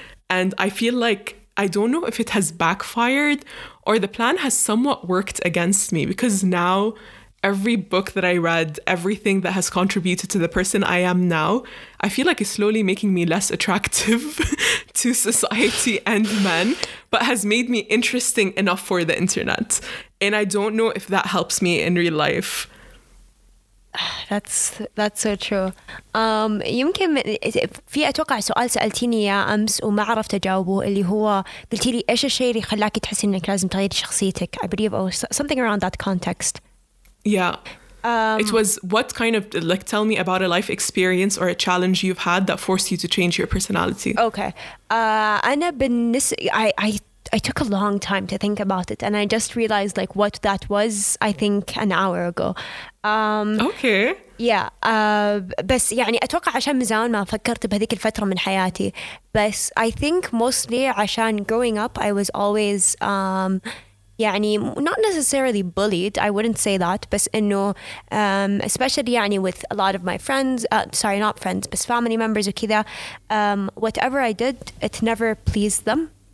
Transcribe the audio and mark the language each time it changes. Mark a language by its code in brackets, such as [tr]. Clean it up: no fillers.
[en] And I feel like, I don't know if it has backfired or the plan has somewhat worked against me, because now every book that I read, everything that has contributed to the person I am now, I feel like it's slowly making me less attractive to society and men, but has made me interesting enough for the internet. And I don't know if that helps me in real life. That's so true. [ar] يمكن في أتوقع سؤال سألتيني إياه أمس وما عرفت أجاوبه, اللي هو قلتي لي إيش الشيء اللي خلاك تحسي إنك لازم تغيري شخصيتك. [en] I believe or something around that context. Yeah. It was what kind of, like, tell me about a life experience or a challenge you've had that forced you to change your personality. Okay. I took a long time to think about it and I just realized like what that was, I think an hour ago. Okay. Yeah. [ar] بس يعني أتوقع عشان مزان ما فكرت بهذيك الفترة من حياتي. [en] بس I think mostly عشان growing up, I was always... يعني not necessarily bullied, I wouldn't say that, [ar] بس إنه [en] especially يعني with a lot of my friends, بس family members [ar] وكذا, [en] whatever I did, it never pleased them.